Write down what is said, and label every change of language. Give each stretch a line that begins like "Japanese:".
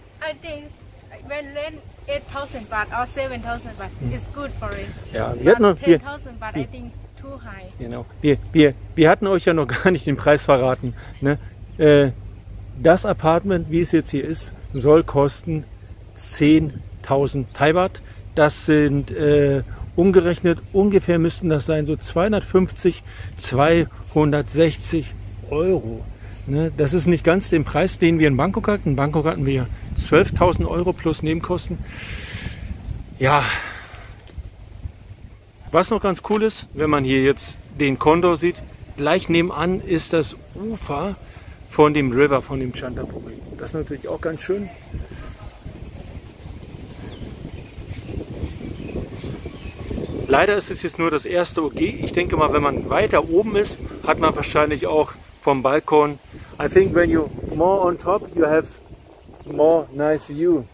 English: I think, when land 8,000 baht or 7,000 baht, it's good for it.
German: Ja, wir hatten
English: 10,000 baht, I think, too high.
German: Genau. Wir hatten euch ja noch gar nicht den Preis verraten, ne? Das Apartment, wie es jetzt hier ist, soll kosten 10,000 Thai baht. Das sind umgerechnet, ungefähr müssten das sein, so 250, 260 Euro. Ne? Das ist nicht ganz den Preis, den wir in Bangkok hatten. In Bangkok hatten wir 12.000 Euro plus Nebenkosten. Ja, was noch ganz cool ist, wenn man hier jetzt den Kondor sieht, gleich nebenan ist das Ufer von dem River, von dem Chanterbury. Das ist natürlich auch ganz schön. Leider ist es jetzt nur das erste OG. Ich denke mal, wenn man weiter oben ist, hat man wahrscheinlich auch vom Balkon.
English: I think when you more on top, you have more nice view.